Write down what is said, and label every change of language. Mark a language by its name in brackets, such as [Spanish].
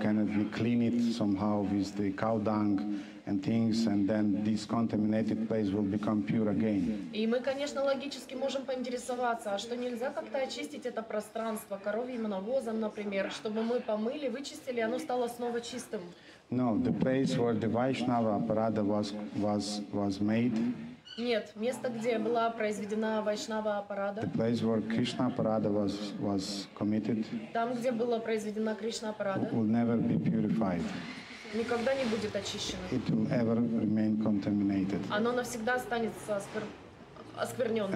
[English] Can we clean it somehow with the cow dung and things, and then this contaminated place will become pure again? [Russian] И мы, конечно, логически можем поинтересоваться, а что нельзя как-то очистить это пространство коровьим навозом, например, чтобы мы помыли, вычистили, оно стало снова чистым? [English] No, the place where the Vaishnava Aparada was made. [Russian] Нет, место, где была произведена Вайшнава Апарада. [English] The place where Krishna Aparada was committed. [Russian] Там, где была произведена Кришна Апарада. [English] Will never be purified. [Russian] Никогда не будет очищено. [English] It will ever remain contaminated. [Russian] Оно навсегда останется осквернённым.